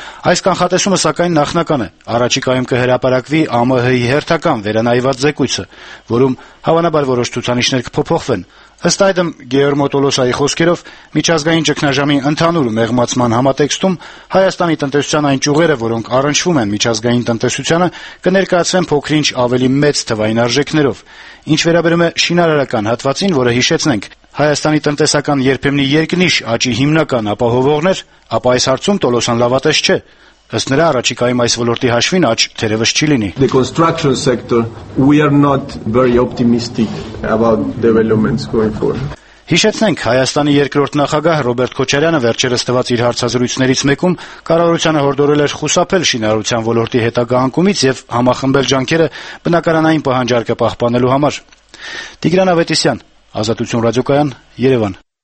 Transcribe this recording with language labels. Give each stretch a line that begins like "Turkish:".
Armenian: Այս կանխատեսումը, սակայն, նախնական է, առաջիկայում կհրապարակվի ԱՄՀ-ի հերթական վերանայված զեկույցը, որում հավանաբար որոշ ցուցանիշներ կփոփոխվեն։ Ըստ այդմ Գիերմո Տոլոսայի խոսքերով, միջազգային ճգնաժամի ընդհանուր մեղմացման համատեքստում Հայաստանի տնտեսության այն ճյուղերը, որոնք առնչվում են միջազգային տնտեսությանը, կներկայացվեն փոքրինչ ավելի մեծ թվային արժեքներով։ Ինչ վերաբերում է շինարարական հատվածին, որը հիշեցնենք, Հայաստանի տնտեսական երբեմնի երկնիշ աճի հիմնական ապահովողներ, ապա այս հարցում Տոլոսան լավատես չէ, ըստ նրա առաջիկայում այս ոլորտի հաշվին աճ թերևս չի լինի։
English: The construction sector, we are not very optimistic about developments going forward.
Armenian: Հիշեցնենք, Հայաստանի երկրորդ նախագահ Ռոբերտ Քոչարյանը վերջերս տված իր հարցազրույցներից մեկում կարողությանը հորդորել էր խուսափել շինարարության ոլորտի հետագա անկումից և համախմբել ջանքերը բնակարանային պահանջարկը պահպանելու համար։ Տիգրան Ավետիսյան, Ազատություն ռադիոկայան, Երևան։